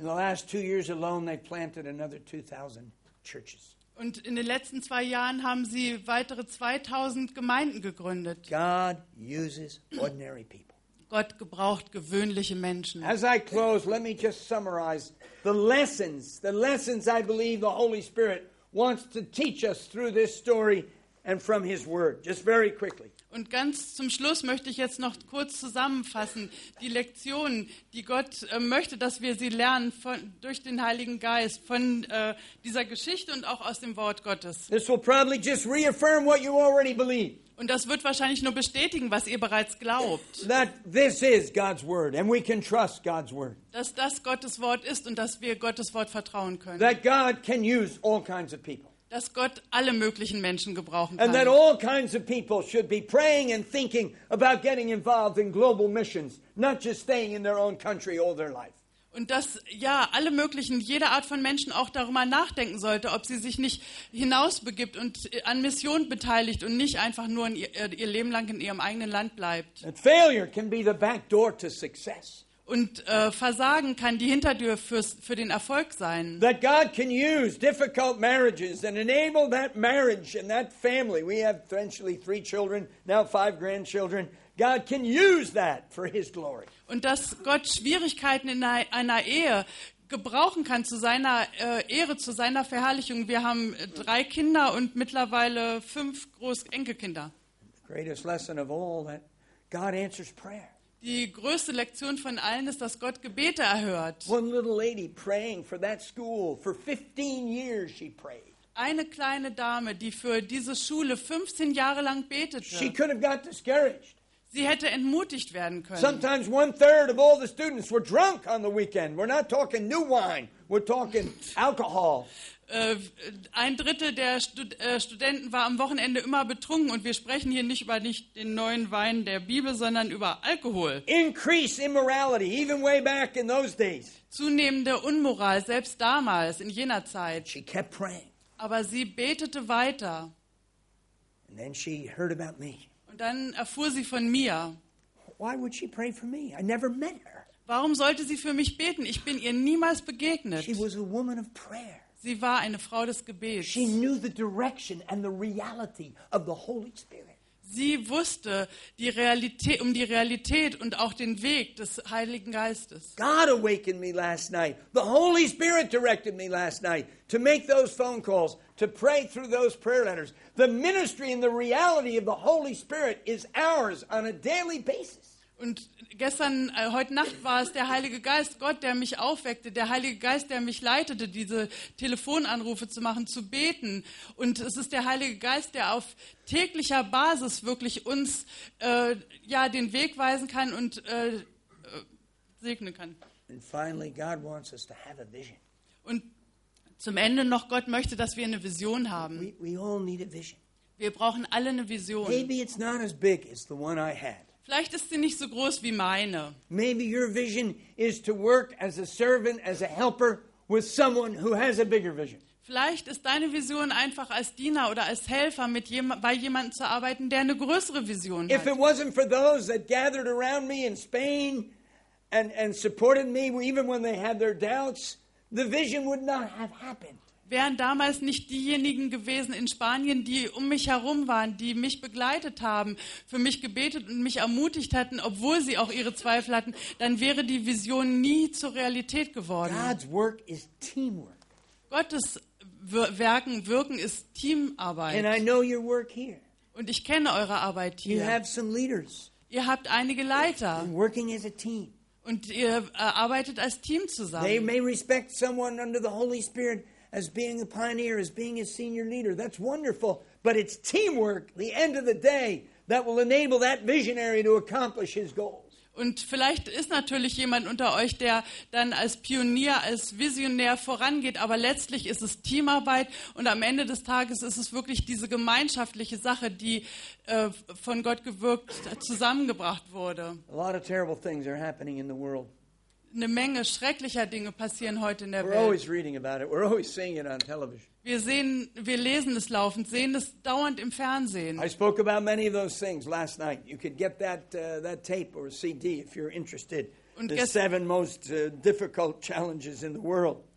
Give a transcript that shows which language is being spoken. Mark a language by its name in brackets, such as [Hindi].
[English] In the last 2 years alone, they planted another 2,000 churches. [German] Und in den letzten 2 Jahren haben sie weitere 2,000 Gemeinden gegründet. [English] God uses ordinary people. [German] Gott gebraucht gewöhnliche Menschen. [English] As I close, let me just summarize the lessons I believe the Holy Spirit wants to teach us through this story and from his word, just very quickly. [German] Und ganz zum Schluss möchte ich jetzt noch kurz zusammenfassen die Lektionen, die Gott möchte, dass wir sie lernen durch den Heiligen Geist, von dieser Geschichte und auch aus dem Wort Gottes. [English] This will probably just reaffirm what you already believe. [German] Und das wird wahrscheinlich nur bestätigen, was ihr bereits glaubt. [English] That this is God's word, and we can trust God's word. [German] Dass das Gottes Wort ist und dass wir Gottes Wort vertrauen können. [English] That God can use all kinds of people. [German] Dass Gott alle möglichen Menschen gebrauchen [English] and [German] kann. [English] And that all kinds of people should be praying and thinking about getting involved in global missions, not just staying in their own country all their life. [German] Und dass alle möglichen, jede Art von Menschen auch darüber nachdenken sollte, ob sie sich nicht hinausbegibt und an Mission beteiligt und nicht einfach nur ihr Leben lang in ihrem eigenen Land bleibt. [English] And failure can be the back door to success. [German] Und Versagen kann die Hintertür für den Erfolg sein. [English] That God can use difficult marriages and enable that marriage and that family. We have eventually 3 children, now 5 grandchildren. God can use that for his glory. [German] Und dass Gott Schwierigkeiten in einer Ehe gebrauchen kann zu seiner Ehre, zu seiner Verherrlichung. Wir haben 3 Kinder und mittlerweile 5 Großenkelkinder. [English] The greatest lesson of all that God answers prayer. [German] Die größte Lektion von allen ist, dass Gott Gebete erhört. [English] One little lady praying for that school for 15 years she prayed. [German] eine kleine Dame, die für diese Schule 15 Jahre lang betete. [English] She could have got discouraged. [German] Sie hätte entmutigt werden können. [English] Sometimes one third of all the students were drunk on the weekend. We're not talking new wine. We're talking alcohol. [German] Ein Drittel der Studenten war am Wochenende immer betrunken und wir sprechen hier nicht über nicht den neuen Wein der Bibel, sondern über Alkohol. [English] Increase immorality, even way back in those days. [German] Zunehmende Unmoral, selbst damals, in jener Zeit. [English] She kept praying. [German] Aber sie betete weiter. [English] And then she heard about me. [German] Und dann erfuhr sie von mir. [English] Why would she pray for me? I never met her. [German] Warum sollte sie für mich beten? Ich bin ihr niemals begegnet. [English] She was a woman of prayer. [German] Sie war eine Frau des Gebets. [English] She knew the direction and the reality of the Holy Spirit. [German] Sie wusste die Realität, um die Realität und auch den Weg des Heiligen Geistes. [English] God awakened me last night. The Holy Spirit directed me last night to make those phone calls, to pray through those prayer letters. The ministry and the reality of the Holy Spirit is ours on a daily basis. [German] Und gestern, heute Nacht war es der Heilige Geist, Gott, der mich aufweckte, der Heilige Geist, der mich leitete, diese Telefonanrufe zu machen, zu beten. Und es ist der Heilige Geist, der auf täglicher Basis wirklich uns ja, den Weg weisen kann und segnen kann. [English] And finally God wants us to have a vision. [German] Und zum Ende noch, Gott möchte, dass wir eine Vision haben. [English] We all need a vision. [German] Wir brauchen alle eine Vision. [English] Maybe it's not as big as the one I had. [German] Vielleicht ist sie nicht so groß wie meine. [English] Maybe your vision is to work as a servant, as a helper with someone who has a bigger vision. [German] Vielleicht ist deine Vision einfach als Diener oder als Helfer mit bei jemandem zu arbeiten, der eine größere Vision hat. [English] If it wasn't for those that gathered around me in Spain and supported me even when they had their doubts, the vision would not have happened. [German] Wären damals nicht diejenigen gewesen in Spanien, die um mich herum waren, die mich begleitet haben, für mich gebetet und mich ermutigt hatten, obwohl sie auch ihre Zweifel hatten, dann wäre die Vision nie zur Realität geworden. [English] God's work is teamwork. [German] Gottes Wirken ist Teamarbeit. [English] And I know your work here. [German] Und ich kenne eure Arbeit hier. [English] You have some leaders. [German] Ihr habt einige Leiter. [English] And working as a team. [German] Und ihr arbeitet als Team zusammen. [English] They may respect someone under the Holy Spirit as being a pioneer, as being a senior leader. That's wonderful, but it's teamwork, the end of the day, that will enable that visionary to accomplish his goals. [German] Und vielleicht ist natürlich jemand unter euch, der dann als Pionier, als Visionär vorangeht, aber letztlich ist es Teamarbeit und am Ende des Tages ist es wirklich diese gemeinschaftliche Sache, die von Gott gewirkt, zusammengebracht wurde. [English] A lot of terrible things are happening in the world. [German] Eine Menge schrecklicher Dinge passieren heute in der [English] We're [German] Welt. [English] Always reading about it. We're always seeing it on television. [German] Wir lesen es laufend, sehen es dauernd im Fernsehen. [English] I spoke about many of those things last night. You could get that tape or CD if you're interested. [German] Und [English] the seven most difficult challenges in the world.